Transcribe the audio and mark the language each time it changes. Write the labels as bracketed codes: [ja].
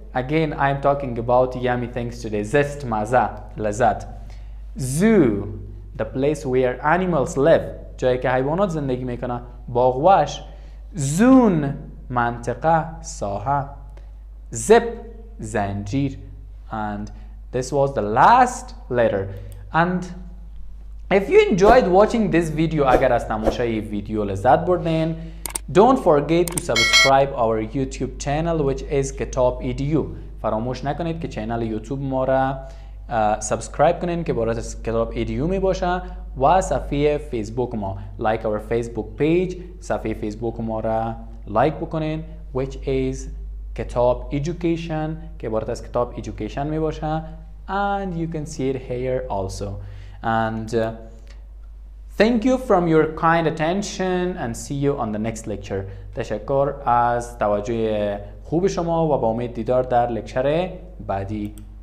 [en] Again I am talking about yummy things today. [fa] Zest، مزه، لذت. [en] Zoo، the place where animals live، [fa] جایی که حیوانات زندگی میکنه. باغ وحش. زون، منطقه، ساحه. زپ، زنجیر. [en] And this was the last letter. And if you enjoyed watching this video، [fa] اگر از تماشای ویدیو لذت بردین، [en] don't forget to subscribe our YouTube channel which is Kitab EDU. [fa] فراموش نکنید که چینل یوتیوب ما را سبسکرایب کنین که برای کتاب ایدیو می باشه، و صفحه فیسبوک ما، [en] like our Facebook page، [fa] صفحه فیسبوک ما را لایک بکنین [en] which is [fa] کتاب ایدوکیشن که برای کتاب ایدوکیشن می باشه. [en] and you can see it here also. And thank you from your kind attention and see you on the next lecture. [fa] تشکر از توجه خوب شما و با امید دیدار در لکچر بعدی.